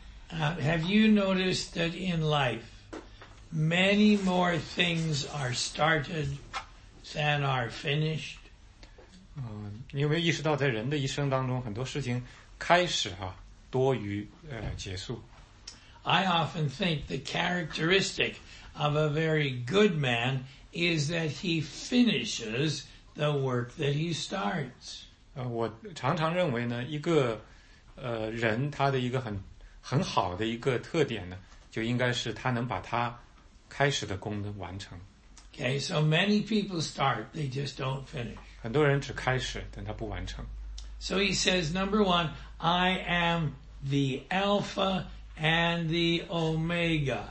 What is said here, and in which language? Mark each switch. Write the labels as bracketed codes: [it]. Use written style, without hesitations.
[en] Have you noticed that in life, many more things are started than are finished? [zh] 你有没有意识到在人的一生当中很多事情开始啊多于结束。 [en] I often think the characteristic of a very good man is that he finishes the work that he starts. [zh] 我常常认为呢，一个人他的一个很好的一个特点呢，就应该是他能把他开始的工作完成。 [en] Okay, so many people start, they just don't finish. [zh] 很多人只开始，但他不完成。 [en] So he says, number one, I am the Alpha and the Omega.